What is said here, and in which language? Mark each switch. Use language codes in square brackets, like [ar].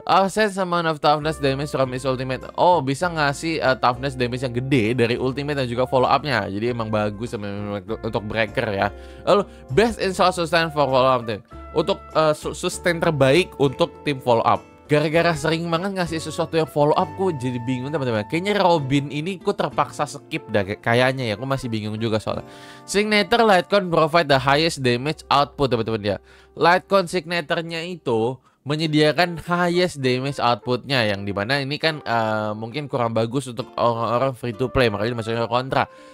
[en] Sense amount of toughness damage from his ultimate. [id] Oh, bisa ngasih toughness damage yang gede dari ultimate dan juga follow up-nya. Jadi emang bagus untuk breaker ya. [en] Lalu, best in slot sustain for follow up team. [id] Untuk sustain terbaik untuk tim follow up. Gara-gara sering banget ngasih sesuatu yang follow up, ku jadi bingung, teman-teman. Kayaknya Robin ini ku terpaksa skip dah kayaknya ya. Ku masih bingung juga soalnya. [en] Signature Lightcone provide the highest damage output, [id] teman-teman ya. Lightcone signature-nya itu menyediakan [en] highest damage outputnya, [id] yang dimana ini kan mungkin kurang bagus untuk orang-orang free to play, makanya dimasukin ke kontra.